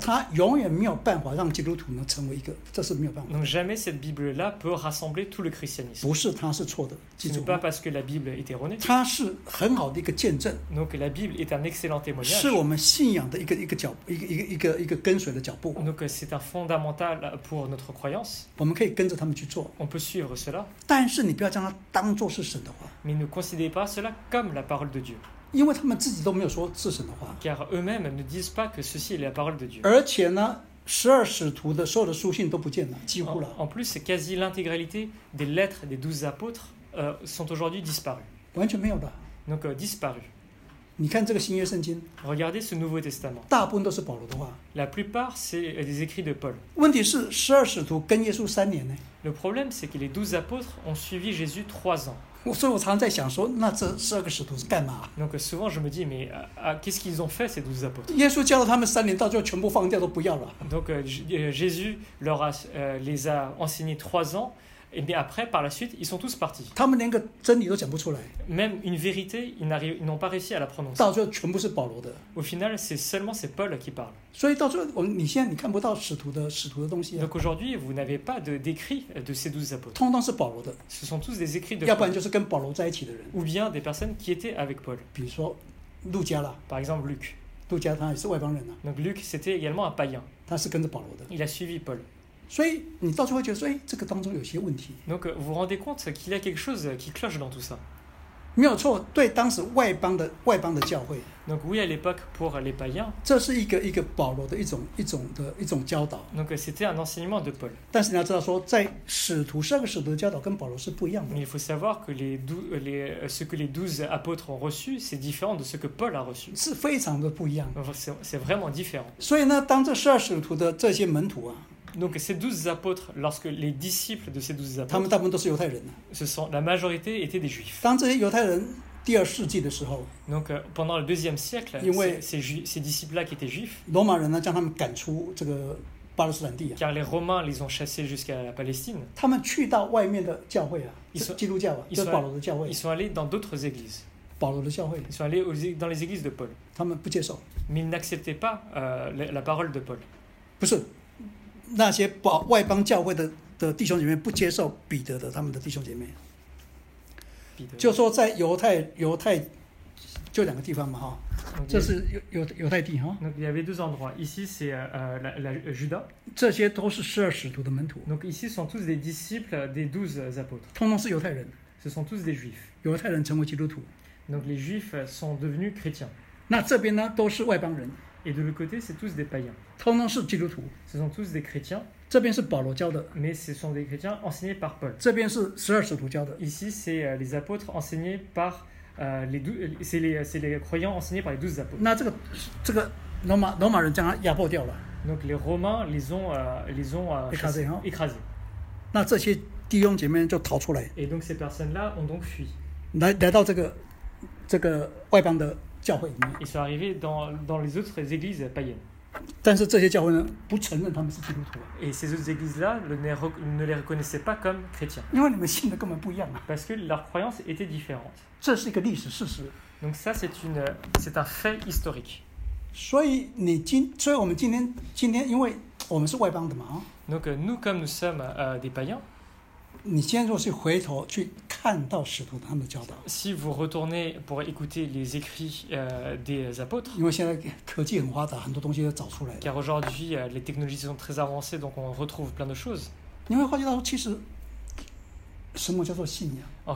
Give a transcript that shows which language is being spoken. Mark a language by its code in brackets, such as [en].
[zh] 它永远没有办法让基督徒呢成为一个，这是没有办法。 [fr] Donc jamais cette Bible-là peut rassembler tout le christianisme. [zh] 不是，它是错的。 [fr] Ce n'est pas parce que la Bible est erronée. [zh] 它是很好的一个见证。 [fr] Donc la Bible est un excellent témoignage. [zh] 是我们信仰的一个跟随的脚步。 [fr] Donc c'est un fondamental pour notre croyance. [zh] 我们可以跟着他们去做。 [fr] On peut suivre cela. [zh] 但是你不要将它当作是神的话。 [fr] Mais ne considérez pas cela comme la parole de Dieu. [zh] 因为他们自己都没有说是神的话。 [fr] Car eux-mêmes ne disent pas que ceci est la parole de Dieu. [zh] 而且呢，十二使徒的所有的书信都不见了，几乎了。 [fr] En plus, c'est quasi l'intégralité des lettres des douze apôtres sont aujourd'hui disparues. [zh] 完全没有了。 [fr] Donc disparues. [zh] 你看这个新约圣经， [fr] Regardez ce Nouveau Testament. [zh] 大部分都是保罗的话。 [fr] La plupart c'est des écrits de Paul. [zh] 问题是十二使徒跟耶稣三年呢。 [fr] Le problème c'est que les douze apôtres ont suivi Jésus trois ans. [zh] 所以我常在想说，那这十二个使徒是干嘛？ [fr] Donc souvent je me dis mais qu'est-ce qu'ils ont fait ces douze apôtres? [zh] 耶稣教了他们三年，到最后全部放掉都不要了。 [fr] Donc Jésus leur a les a enseigné trois ans. Et bien après, par la suite, ils sont tous partis. [zh] 他们连个真理都讲不出来。 [fr] Même une vérité, ils n'ont pas réussi à la prononcer. [zh] 到最后，全部是保罗的。 [fr] Au final, c'est Paul qui parle. [zh] 所以到最后，你现在你看不到使徒的东西、啊。 [fr] Donc aujourd'hui, vous n'avez pas d'écrit de ces douze apôtres. [zh] 通通是保罗的。 [fr] Ce sont tous des écrits de. [zh] 要不然就是跟保罗在一起的人。 [fr] Ou bien des personnes qui étaient avec Paul. [zh] 比如说，路加啦。 [fr] Par exemple, Luc. [zh] 路加他也是外邦人呐、啊。 [fr] Donc Luc, c'était également un païen. [zh] 他是跟着保罗的。 [fr] Il a suivi Paul. [zh] 所以你到最后觉得说，哎，这个当中有些问题。 [fr] Donc vous rendez compte qu'il y a quelque chose qui cloche dans tout ça. [zh] 没有错，对当时外邦的教会。 [fr] Donc oui à l'époque pour les païens. [zh] 这是一个保罗的一种教导。 [fr] Donc c'était un enseignement de Paul. [zh] 但是你要知道说，在使徒十二个使徒的教导跟保罗是不一样的。 [fr] Mais il faut savoir que ce que les douze apôtres ont reçu, c'est différent de ce que Paul a reçu. [zh] 是非常的不一样。 [fr] C'est vraiment différent. [zh] 所以呢，当这十二使徒的这些门徒啊。 [fr] Donc ces douze apôtres, lorsque les disciples de ces douze apôtres, [zh] 他们都是犹太人啊。 [fr] Ce sont, la majorité étaient des juifs. [zh] 当这些犹太人第二世纪的时候， [fr] Donc pendant le deuxième siècle, [zh] 因为 [fr] ces disciples-là qui étaient juifs, [zh] 罗马人呢将他们赶出这个巴勒斯坦地啊。 [fr] Car les Romains les ont chassés jusqu'à la Palestine. [zh] 他们去到外面的教会啊，基督教啊，就是保罗的教会。 [fr] Ils sont allés dans d'autres églises. [zh] 保罗的教会。 [fr] Ils sont allés dans les églises de Paul. [zh] 他们不接受。 [fr] Mais ils n'acceptaient pas la parole de Paul. [zh] 不是。那些外邦教会 的弟兄姐妹不接受彼得的他们的弟兄姐妹，就说在犹太就两个地方嘛哈，这是犹太地哈。 [fr] Donc il y avait deux endroits. Ici c'est la Juda. [zh] 这些都是十二使徒的门徒。 [fr] Donc ici sont tous des disciples des douze apôtres. [zh] 通通是犹太人。 [fr] Ce sont tous des juifs. [zh] 犹太人成为基督徒。 [fr] Donc les juifs sont devenus chrétiens. [zh] 那这边呢都是外邦人。 [fr] Et de l'autre côté, c'est tous des païens. [zh] 通通是基督徒。 [fr] Ce sont tous des chrétiens. [zh] 这边是保罗教的。 [fr] Mais ce sont des chrétiens enseignés par Paul. [zh] 这边是十二使徒教的。 [fr] Ici, c'est les apôtres enseignés par les croyants enseignés par les douze apôtres. [zh] 那这个罗马人将他压迫掉了。 [fr] Donc les Romains les ont écrasés. [zh] 那这些弟兄姐妹就逃出来。 [fr] Et donc ces personnes-là ont donc fui. [zh] 来到这个外邦的。教会里面 [fr] ils sont arrivés dans les autres églises païennes. [zh] 但是这些教会呢，不承认他们是基督徒。 [fr] Et ces autres églises-là ne les reconnaissaient pas comme chrétiens. [zh] 因为你们信的根本不一样嘛。 [fr] Parce que leur croyance était différente. [zh] 这是一个历史事实。 [fr] Donc ça c'est un fait historique. [zh] 所以我们今天，因为我们是外邦的嘛。 [fr] Donc nous comme nous sommes des païens. [zh] 你现在若是回头去看到使徒他们的教导 [fr] ，Si vous retournez pour écouter les écrits des apôtres， [zh] 因为现在科技很发达，很多东西都找出来了。 [fr] Car aujourd'hui les technologies sont très avancées, donc on retrouve plein de choses。 [zh] 你会发觉到其实什么叫做信仰